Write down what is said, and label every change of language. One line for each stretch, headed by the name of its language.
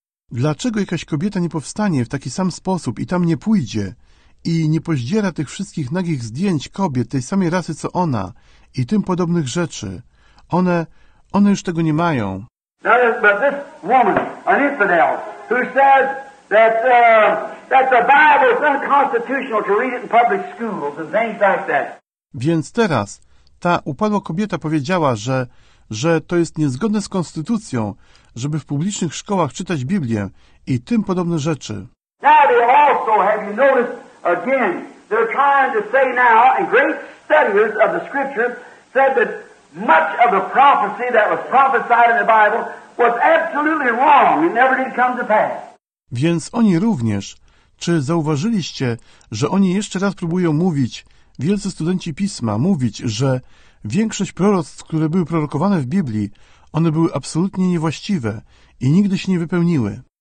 Polish: Dlaczego jakaś kobieta nie powstanie w taki sam sposób i tam nie pójdzie i nie pozdziera tych wszystkich nagich zdjęć kobiet tej samej rasy co ona i tym podobnych rzeczy? One już tego nie mają.
English: Now, but this woman, an infidel, who says that that the Bible is unconstitutional to read it in public schools and things like that.
Polish: Więc teraz ta upadła kobieta powiedziała, że to jest niezgodne z konstytucją, żeby w publicznych szkołach czytać Biblię i tym podobne rzeczy.
English: Now they also, have you noticed again, they're trying to say now, and great studies of the scriptures said that much of the prophecy that was prophesied in the Bible was absolutely wrong and never did come to pass.
Polish: Więc oni również, czy zauważyliście, że oni jeszcze raz próbują mówić, wielcy studenci Pisma, mówić, że większość proroctw, które były prorokowane w Biblii, one były absolutnie niewłaściwe i nigdy się nie wypełniły.